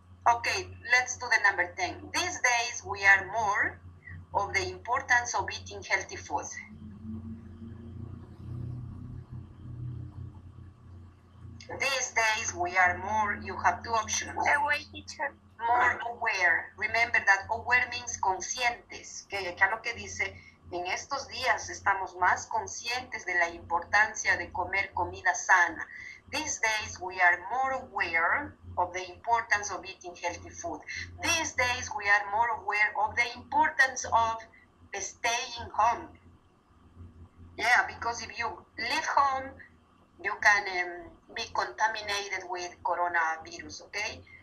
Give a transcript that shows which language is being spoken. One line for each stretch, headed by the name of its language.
English: Okay, let's do the number 10. These days we are more of the importance of eating healthy food. These days we are more, you have two options. Aware, teacher. More aware. Remember that aware means conscientes.
Spanish: Okay, acá lo que dice, en estos días estamos más conscientes de la importancia de comer comida sana.
English: These days we are more aware of the importance of eating healthy food. These days we are more aware of the importance of staying home. Yeah, because if you leave home, you can be contaminated with coronavirus, okay?